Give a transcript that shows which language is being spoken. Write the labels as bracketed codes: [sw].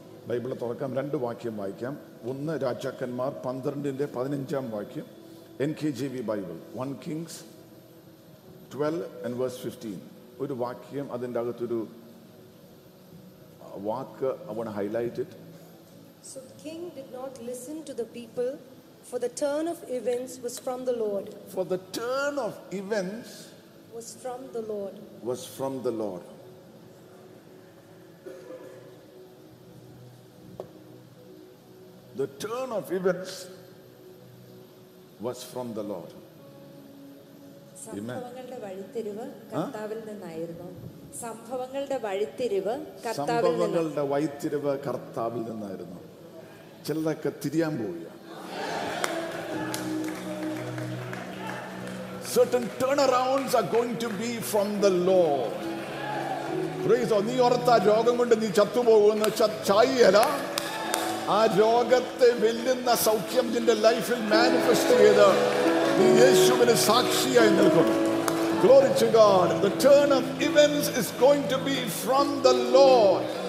[ml] Bible തുറക്കാം, രണ്ട് വാക്യം വായിക്കാം. 1 രാജാക്കന്മാർ 12:15 വാക്യം, NKJV ബൈബിൾ, 1 Kings 12:15. ഒരു വാക്യം അതിൻ്റെ അകത്തൊരു വാക്ക്, [en] I want highlight it. So the king did not listen to the people, for the turn of events was from the Lord. For the turn of events was from the Lord. Was from the Lord. The turn of events was from the Lord. [ml] സംഭവങ്ങളുടെ വഴിത്തിരിവ് കർത്താവിൽ നിന്നായിരുന്നു. ചിലതൊക്കെ തിരിയാൻ പോവുക. [en] Certain turnarounds are going to be from the Lord. Praise God. [ml] നീ ഓർത്താ രോഗം കൊണ്ട് നീ ചത്തുപോകുന്ന ചായിയല്ല, ആ രോഗത്തെ വെല്ലുന്ന സൗഖ്യം നിന്റെ ലൈഫിൽ മാനിഫെസ്റ്റ് ചെയ്ത് നീ യേശുവിന് സാക്ഷിയായി നിൽക്കും. [en] Glory to God. The turn of events is going to be from the Lord.